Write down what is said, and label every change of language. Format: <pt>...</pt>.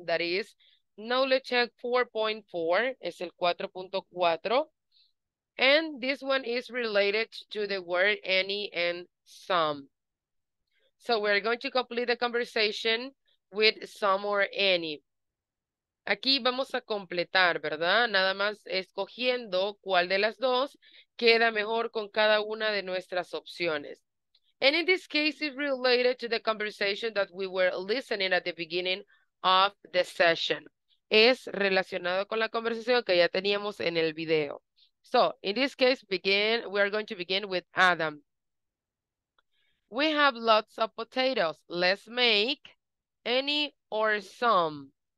<en>That is knowledge check 4.4,</en> <es>es el 4.4.</es> <en>And this one is related to the word any and some. So we're going to complete the conversation with some or any.</en> <es>Aquí vamos a completar, ¿verdad? Nada más escogiendo cuál de las dos queda mejor con cada una de nuestras opciones.</es> <en>And in this case, it's related to the conversation that we were listening at the beginning of the session.</en> <es>Es relacionado con la conversación que ya teníamos en el video.</es> <en>So, in this case, we are going to begin with Adam. We have lots of potatoes. Let's make any or some.</en>